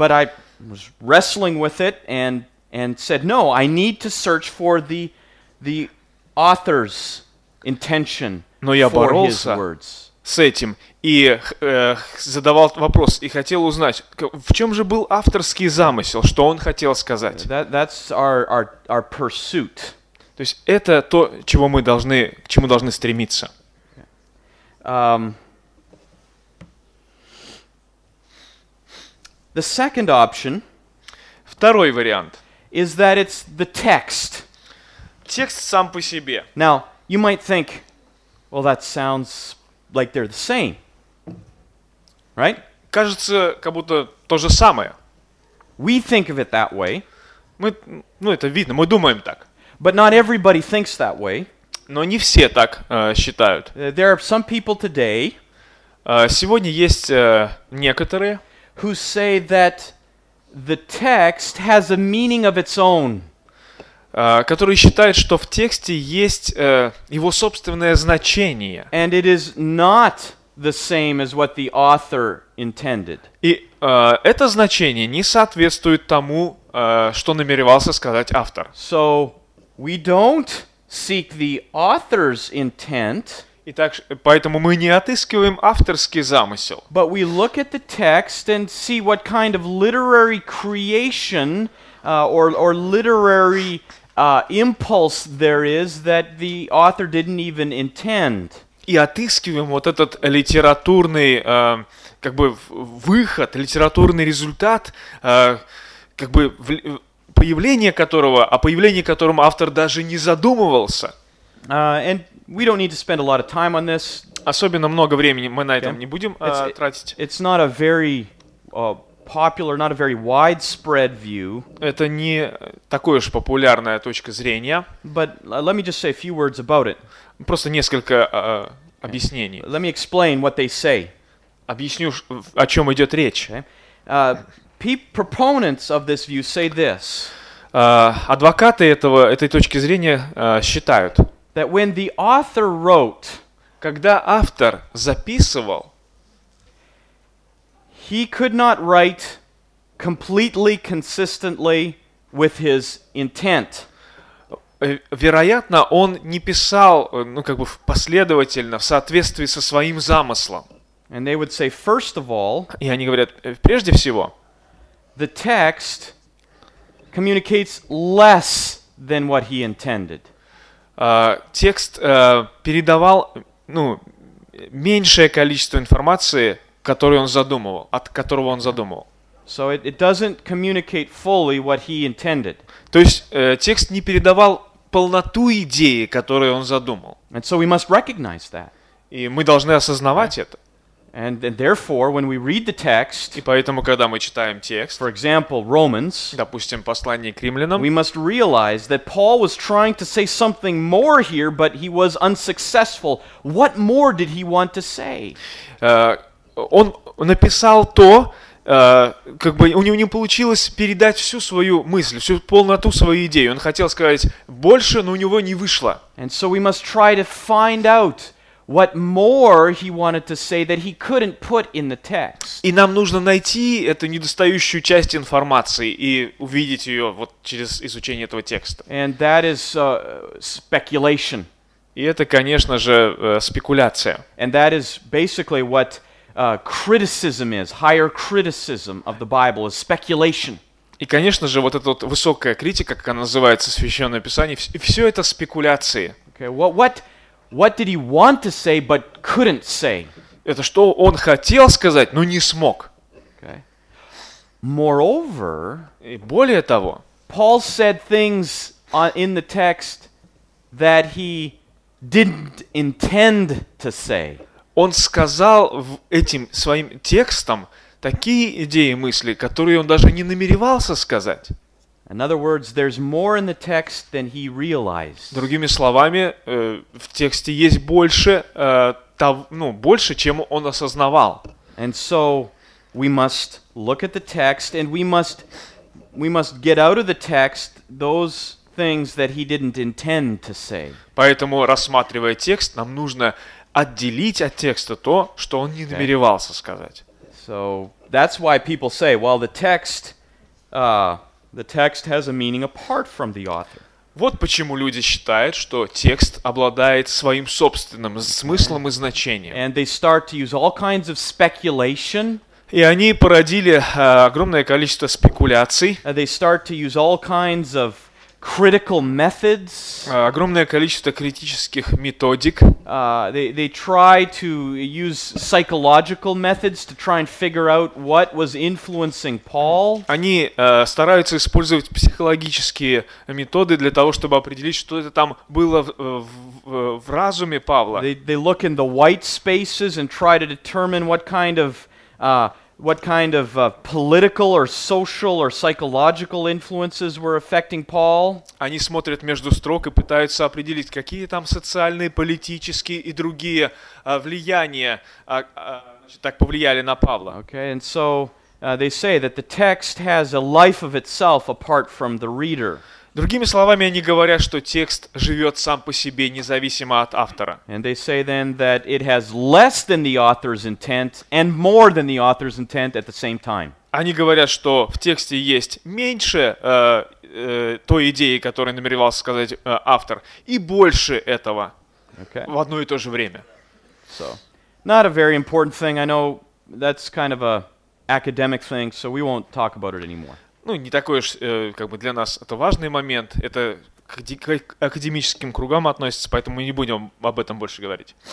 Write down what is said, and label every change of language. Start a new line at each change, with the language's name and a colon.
English: But I was wrestling with it and said, no, I need to search for the author's intention for his words.
Russian: С этим и задавал вопрос и хотел узнать, в чем же был авторский замысел, что он хотел сказать.
English: That's our pursuit.
Russian: То есть это то, чего мы должны, к чему должны стремиться.
English: The second option.
Russian: Второй вариант.
English: Is that it's the text.
Russian: Текст сам по себе.
English: Now you might think, well, that sounds like they're the same, right?
Russian: Кажется, как будто то же самое.
English: We think of it that way.
Russian: Мы, ну, это видно, мы думаем так.
English: But not everybody thinks that way.
Russian: Но не все так считают.
English: There are some people today.
Russian: Сегодня есть некоторые,
English: who say that the text has a meaning of its own.
Russian: Который считает, что в тексте есть его собственное значение.
English: And it is not the same as what the author intended.
Russian: И это значение не соответствует тому, что намеревался сказать автор.
English: So we don't seek the author's intent.
Russian: Итак, поэтому мы не отыскиваем авторский замысел.
English: But we look at the text and see what kind of literary creation or literary impulse there is that the author didn't even intend.
Russian: И отыскиваем вот этот литературный, как бы выход, литературный результат, как бы появление которого, о появлении которого автор даже не задумывался.
English: And we don't need to spend a lot of time on this.
Russian: Особенно много времени мы на этом не будем тратить.
English: It's not a very popular, not a very widespread view.
Russian: Это не такое уж популярная точка зрения.
English: But let me just say a few words about it.
Russian: Просто несколько объяснений.
English: Let me explain what they say.
Russian: Объясню, о чем идет речь.
English: Proponents of this view say this.
Russian: Адвокаты этого, этой точки зрения считают,
English: that when the author wrote,
Russian: когда автор записывал,
English: he could not write completely consistently with his intent.
Russian: Вероятно, он не писал, ну, как бы последовательно, в соответствии со своим замыслом.
English: And they would say, first of all,
Russian: и они говорят, прежде всего,
English: the text communicates less than what he intended.
Russian: Текст передавал, ну, меньшее количество информации, который он задумывал, от которого он задумывал.
English: So it doesn't communicate fully what he intended.
Russian: То есть текст не передавал полноту идеи, которую он задумал.
English: And so we must recognize that.
Russian: И мы должны осознавать это.
English: And therefore, when we read the text,
Russian: и поэтому, когда мы читаем текст,
English: for example, Romans,
Russian: допустим, послание к римлянам,
English: we must realize that Paul was trying to say something more here, but he was unsuccessful. What more did he want to say?
Russian: Он написал то, как бы у него не получилось передать всю свою мысль, всю полноту своей идеи. Он хотел сказать больше, но у него не вышло.
English: And so we must try to find out what more he wanted to say that he couldn't put in the text.
Russian: И нам нужно найти эту недостающую часть информации и увидеть ее вот через изучение этого текста.
English: And that is speculation.
Russian: И это, конечно же, спекуляция.
English: And that is basically what criticism is. Higher criticism of the Bible is speculation.
Russian: И, конечно же, вот эта вот высокая критика, как она называется, Священное Писание, все это спекуляции.
English: Okay, what did he want to say, but couldn't say?
Russian: Это что он хотел сказать, но не смог.
English: Okay. Moreover,
Russian: и более того,
English: Paul said things in the text that he didn't intend to say.
Russian: Он сказал этим своим текстом такие идеи и мысли, которые он даже не намеревался сказать.
English: In other words, there's more in the text than he realized.
Russian: Другими словами, в тексте есть больше, больше, чем он осознавал.
English: And so we must look at the text and we must get out of the text those things that he didn't intend to say.
Russian: Поэтому, рассматривая текст, нам нужно отделить от текста то, что он не намеревался сказать.
English: So that's why people say, well, the text has a meaning apart from the author.
Russian: Вот почему люди считают, что текст обладает своим собственным смыслом и значением.
English: And they start to use all kinds of speculation.
Russian: И они породили огромное количество спекуляций.
English: They start to use all kinds of critical methods.
Russian: Огромное количество критических методик.
English: They try to use psychological methods to try and figure out what was influencing Paul.
Russian: Они стараются использовать психологические методы для того, чтобы определить, что это там было в разуме Павла.
English: They look in the white spaces and try to determine what kind of political or social or psychological influences were affecting Paul.
Russian: Они смотрят между строк и пытаются определить, какие там социальные, политические и другие влияния так повлияли на Павла.
English: Okay, and so they say that the text has a life of itself apart from the reader.
Russian: Другими словами, они говорят, что текст живет сам по себе, независимо от автора.
English: And they say then that it has less than the author's intent and more than the author's intent at the same time.
Russian: Они говорят, что в тексте есть меньше той идеи, которую намеревался сказать автор, и больше этого в одно и то же время.
English: So, not a very important thing. I know that's kind of a academic thing, so we won't talk about it anymore.
Russian: Ну, не такой уж, для нас это важный момент. Это к академическим кругам относится, поэтому мы не будем об этом больше говорить.